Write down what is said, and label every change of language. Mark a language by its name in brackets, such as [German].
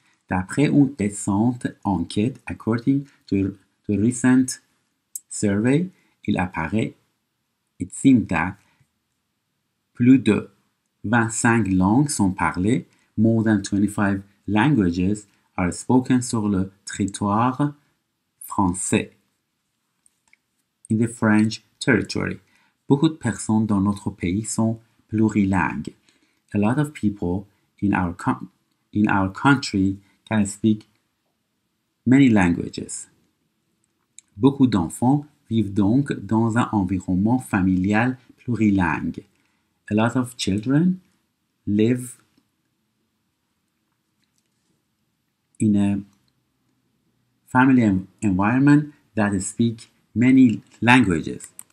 [French] D'après une récente enquête, [English] according to the recent survey, [French] il apparaît, [English] it seems that [French] plus de 25 langues sont parlées, [English] more than 25 languages are spoken [French] sur le territoire français, [English] in the French territory. [French] Beaucoup de personnes dans notre pays sont plurilingues. [English] A lot of people in our country can speak many languages. [French] Beaucoup d'enfants vivent donc dans un environnement familial plurilingue. [English] A lot of children live in a family environment that speak many languages.